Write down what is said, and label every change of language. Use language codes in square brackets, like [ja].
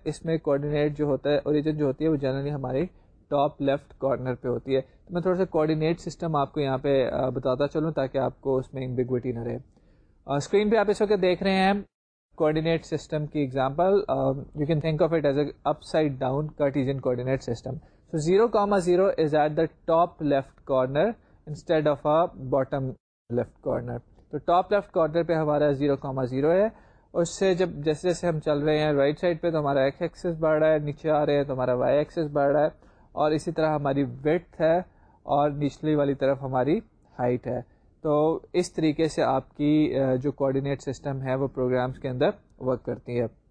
[ur] اس میں کوآرڈینیٹ جو ہوتا ہے اوریجن جو ہوتی ہے وہ جنرلی ہماری ٹاپ لیفٹ کارنر پہ ہوتی ہے. تو میں تھوڑا سا کوآرڈینیٹ سسٹم آپ کو یہاں پہ بتاتا چلوں تاکہ آپ کو اس میں امبیگوٹی نہ رہے. اسکرین پہ آپ اس وقت دیکھ رہے ہیں کوآرڈینیٹ سسٹم کی example. [en] You can think of it as a upside down Cartesian coordinate system. So 0,0 is at the top left corner instead of a bottom left corner. [ur] تو ٹاپ لیفٹ کارنر پہ ہمارا 0,0 ہے. اس سے جب جیسے جیسے ہم چل رہے ہیں رائٹ سائڈ پہ تو ہمارا ایکس ایکسس بڑھ رہا ہے, نیچے آ رہے ہیں تو ہمارا وائی ایکسس بڑھ رہا ہے, اور اسی طرح ہماری ویڈتھ ہے اور نچلی والی طرف ہماری ہائٹ ہے. تو اس طریقے سے آپ کی جو کوآرڈینیٹ سسٹم ہے وہ پروگرامز کے اندر ورک کرتی ہے.